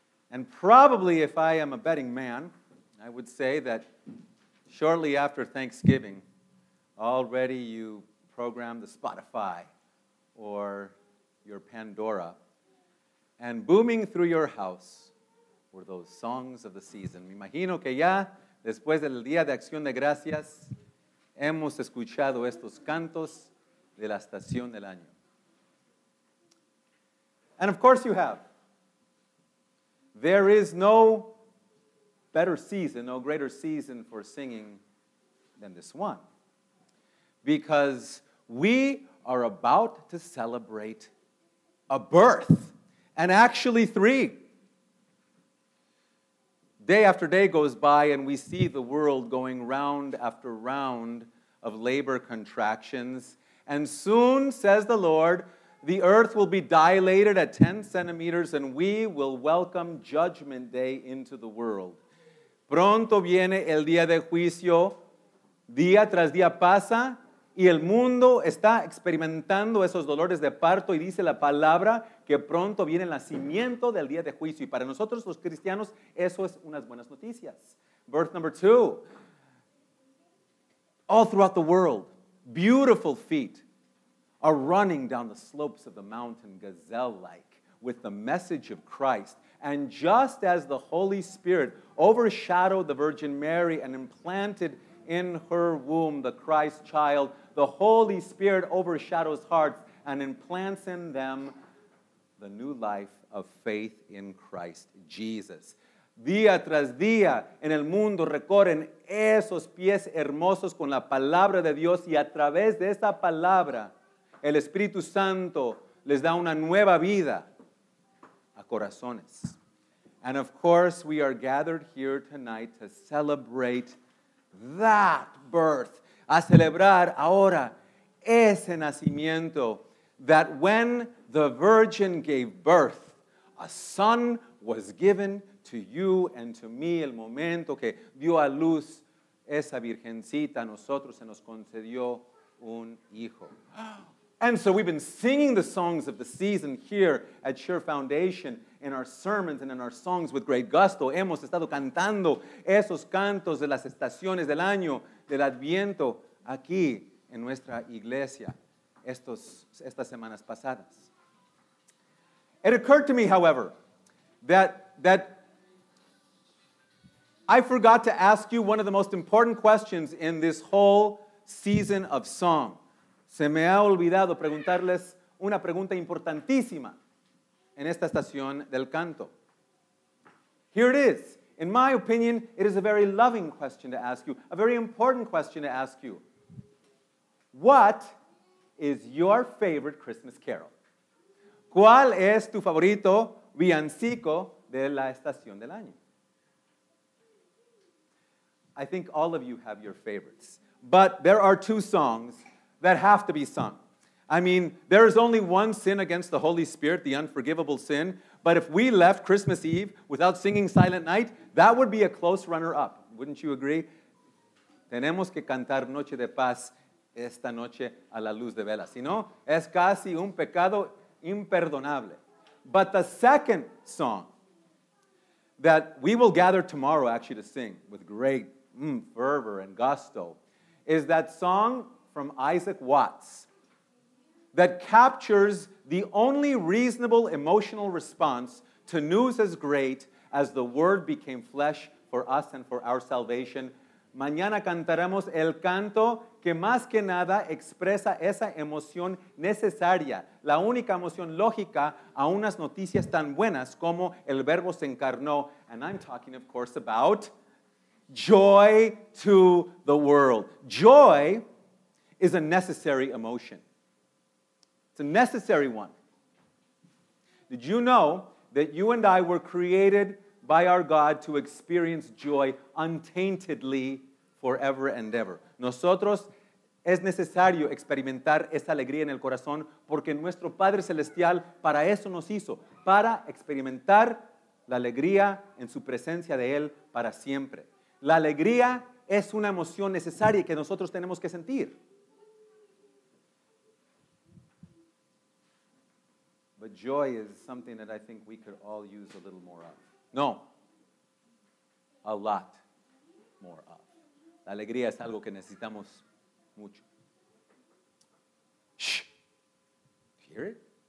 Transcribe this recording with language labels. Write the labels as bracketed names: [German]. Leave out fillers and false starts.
[English] And probably, if I am a betting man, I would say that shortly after Thanksgiving, already you program the Spotify or your Pandora, and booming through your house were those songs of the season. [Spanish] Me imagino que ya, después del Día de Acción de Gracias, hemos escuchado estos cantos de la estación del año. [English] And of course you have. There is no better season, no greater season for singing than this one. Because we are about to celebrate a birth, and actually three. Day after day goes by, and we see the world going round after round of labor contractions. And soon, says the Lord, the earth will be dilated at 10 centimeters, and we will welcome Judgment Day into the world. [Spanish] Pronto viene el día de juicio. Día tras día pasa, y el mundo está experimentando esos dolores de parto, y dice la palabra que pronto viene el nacimiento del día de juicio. Y para nosotros, los cristianos, eso es unas buenas noticias. [English] Birth number two. All throughout the world, beautiful feet are running down the slopes of the mountain, gazelle-like, with the message of Christ. And just as the Holy Spirit overshadowed the Virgin Mary and implanted in her womb the Christ child, the Holy Spirit overshadows hearts and implants in them the new life of faith in Christ Jesus. [Spanish] Día tras día en el mundo recorren esos pies hermosos con la palabra de Dios, y a través de esa palabra el Espíritu Santo les da una nueva vida a corazones. [English] And of course, we are gathered here tonight to celebrate that birth, [Spanish] a celebrar ahora ese nacimiento, [English] that when the Virgin gave birth, a son was given to you and to me. [Spanish] El momento que dio a luz esa virgencita, a nosotros se nos concedió un hijo. [English] And so we've been singing the songs of the season here at Sure Foundation in our sermons and in our songs with great gusto. [Spanish] Hemos estado cantando esos cantos de las estaciones del año, del Adviento, aquí en nuestra iglesia estas semanas pasadas. [English] It occurred to me, however, that I forgot to ask you one of the most important questions in this whole season of song. [Spanish] Se me ha olvidado preguntarles una pregunta importantísima en esta estación del canto. [English] Here it is. In my opinion, it is a very loving question to ask you, a very important question to ask you. What is your favorite Christmas carol? [Spanish] ¿Cuál es tu favorito villancico de la estación del año? [English] I think all of you have your favorites. But there are two songs that have to be sung. I mean, there is only one sin against the Holy Spirit, the unforgivable sin. But if we left Christmas Eve without singing Silent Night, that would be a close runner-up. Wouldn't you agree? [Spanish] Tenemos que cantar Noche de Paz esta noche a la luz de velas. Si no, es casi un pecado imperdonable. [English] But the second song that we will gather tomorrow actually to sing with great fervor and gusto is that song from Isaac Watts that captures the only reasonable emotional response to news as great as the Word became flesh for us and for our salvation. [Spanish] Mañana cantaremos el canto que más que nada expresa esa emoción necesaria, la única emoción lógica a unas noticias tan buenas como el Verbo se encarnó. [English] And I'm talking, of course, about joy to the world. Joy is a necessary emotion. It's a necessary one. Did you know that you and I were created by our God to experience joy untaintedly forever and ever? [Spanish] Nosotros es necesario experimentar esa alegría en el corazón porque nuestro Padre Celestial para eso nos hizo, para experimentar la alegría en su presencia de Él para siempre. La alegría es una emoción necesaria que nosotros tenemos que sentir. [English] But joy is something that I think we could all use a little more of. No. A lot more of. [Spanish] La alegría es algo que necesitamos mucho. [English] Shh. Hear it?